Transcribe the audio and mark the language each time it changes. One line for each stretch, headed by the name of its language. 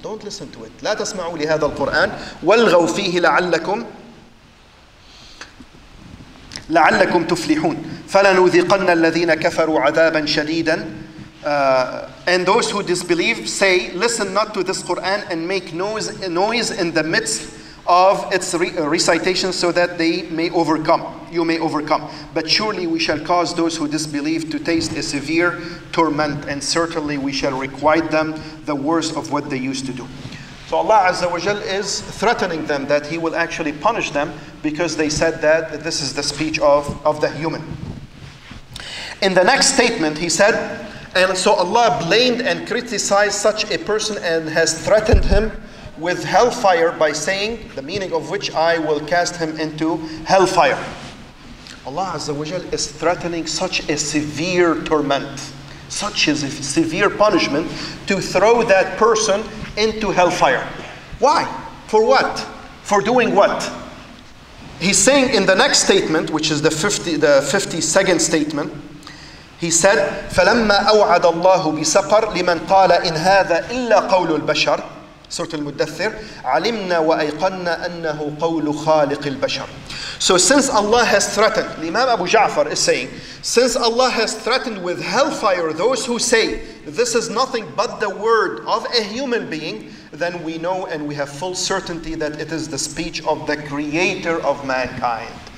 English: Don't listen to it.
Arabic: لَا تَسْمَعُوا لِهَذَا الْقُرْآنِ وَالْغَوْ فِيهِ لَعَلَّكُمْ تُفْلِحُونَ. فَلَنُذِقَنَّ الَّذِينَ كَفَرُوا عَذَابًا شَدِيدًا.
English: And those who disbelieve say, listen not to this Qur'an and make noise in the midst of its recitation so that they may overcome, you may overcome. But surely we shall cause those who disbelieve to taste a severe torment, and certainly we shall requite them the worst of what they used to do. So Allah Azza wa Jal is threatening them that He will actually punish them because they said that this is the speech of the human. In the next statement He said, and so Allah blamed and criticized such a person and has threatened him with hellfire by saying, the meaning of which, I will cast him into hellfire. Allah Azza wa Jal is threatening such a severe torment, such a severe punishment, to throw that person into hellfire. Why? For what? For doing what? He's saying in the next statement, which is the 52nd statement, He said,
Arabic: فَلَمَّا أَوْعَدَ اللَّهُ بِسَقَرْ لِمَنْ قَالَ إِنْ هَذَا إِلَّا قَوْلُ الْبَشَرْ سورة المدثر عَلِمْنَا وَأَيْقَنَّا أَنَّهُ قَوْلُ خَالِقِ الْبَشَرْ.
English: So since Allah has threatened, Imam Abu Ja'far is saying, since Allah has threatened with hellfire those who say this is nothing but the word of a human being, then we know and we have full certainty that it is the speech of the creator of mankind.